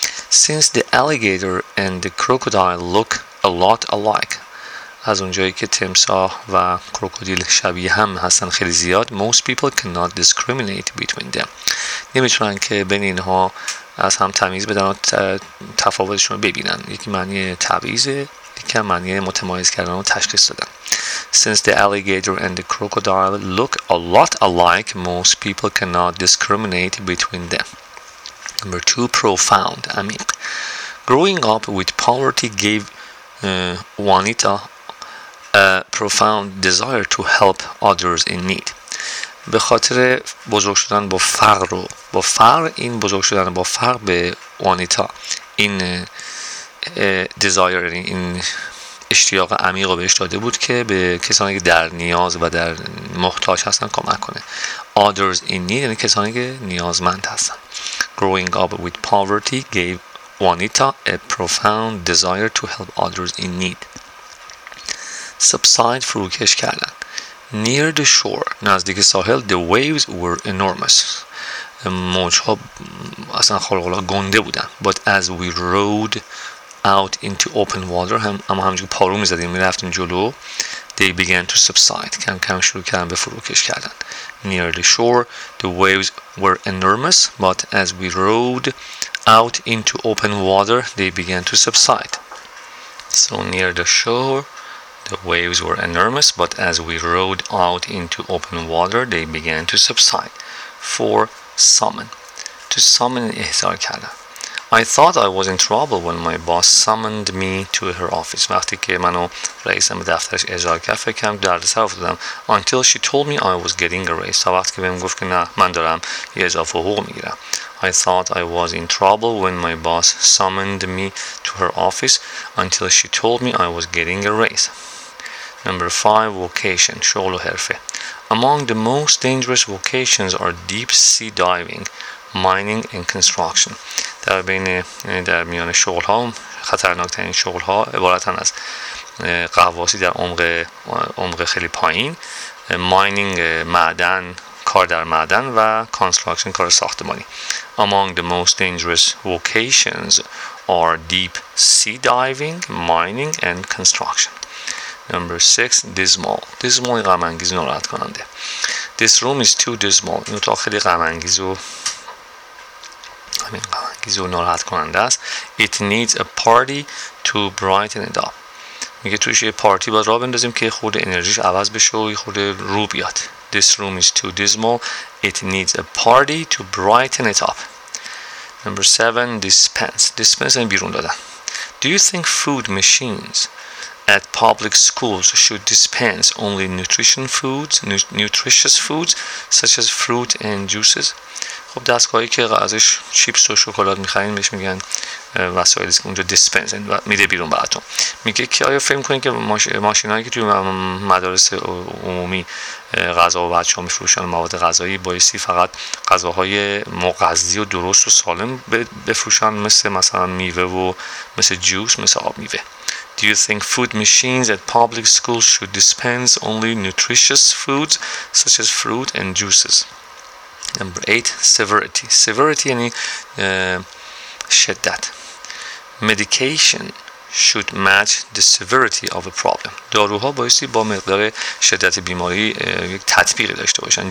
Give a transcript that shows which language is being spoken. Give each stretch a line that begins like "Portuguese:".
English: Since the alligator and the crocodile look a lot alike.
Persian: از اونجایی که تمساح و کروکودیل شبیه هم هستن خیلی زیاد.
English: Most people cannot discriminate between them.
Persian: نمیتونن که بین اینها از هم تمیز بدن و تفاوتشون رو ببینن. یکی معنی تبعیضه. یکی هم معنی متمایز کردن و تشخیص دادن.
English: Since the alligator and the crocodile look a lot alike, most people cannot discriminate between them. Number 2. Profound.
Persian: عمیق.
English: Growing up with poverty gave Juanita a profound desire to help others in need.
Persian: به خاطر بزرگ شدن با فقر و با فقر این بزرگ شدن با فقر به Juanita این desire این اشتیاق عمیق رو بهش داده بود که به کسانی که در نیاز و در محتاج هستن کمک کنه.
English: Others in need
Persian: یعنی کسانی که نیازمند هستن.
English: Growing up with poverty gave Juanita a profound desire to help others in need. Subside
Persian: فروکش کردن.
English: Near the shore
Persian: نزدیک ساحل
English: the waves were enormous.
Persian: موجها اصلا خلق الله گنده بودن.
English: But as we rowed out into open water
Persian: اما همچنین پارو میزدیم میرفتیم جلو
English: they began to subside
Persian: کم کم شروع کردن به فروکش کردن
English: near the shore the waves were enormous but as we rowed out into open water they began to subside so near the shore the waves were enormous but as we rowed out into open water they began to subside for summon to summon
Persian: احضار کردن
English: I thought I was in trouble when my boss summoned me to her office.
Persian: وقتی که منو رئیسم به دفترش اجرا کرد فکر کنم دردسر افتادم.
English: Until she told me I was getting a raise.
Persian: تا وقتی که بهم گفت که نه من دارم یه اضافه حقوق میگیرم.
English: I thought I was in trouble when my boss summoned me to her office. Until she told me I was getting a raise. Number 5. Vocation.
Persian: شغل و حرفه.
English: Among the most dangerous vocations are deep sea diving. Mining and construction.
Persian: در بین در میان شغل ها خطرناکترین شغل ها عبارتن از غواصی در عمق خیلی پایین mining معدن کار در معدن و construction کار ساختمانی.
English: Among the most dangerous vocations are deep sea diving, mining and construction. Number 6. Dismal.
Persian: Dismal غم انگیز و ناراحت کننده.
English: This room is too dismal.
Persian: این اتاق خیلی غم انگیز و همین غمانگیز و ناراحت کننده است.
English: It needs a party to brighten it up.
Persian: میگه توش یه پارتی باید را بندازیم که خود انرژیش عوض بشه و خود رو بیاد.
English: This room is too dismal. It needs a party to brighten it up. Number 7. Dispense. Dispense
Persian: این بیرون دادن.
English: Do you think food machines at public schools should dispense only nutrition foods, nutritious foods such as fruit and juices?
Persian: خب دستگاهی که ازش چیپس و شکلات میخرین بهش میگن وسایلی که اونجا دیسپنس و میده بیرون براتون میگه که آیا فهم کنین که ماشینایی که توی مدارس عمومی غذا و بچه‌ها میفروشن مواد غذایی بایستی فقط غذاهای مغذی و درست و سالم بفروشن مثلا میوه و مثل جوس مثل آب میوه
English: Do you think food machines at public schools should dispense only nutritious foods such as fruit and juices Number 8. Severity. Severity
Persian: یعنی شدت.
English: Medication should match the severity of a problem.
Persian: داروها بایستی با مقدار شدت بیماری یک تطبیقی داشته باشن.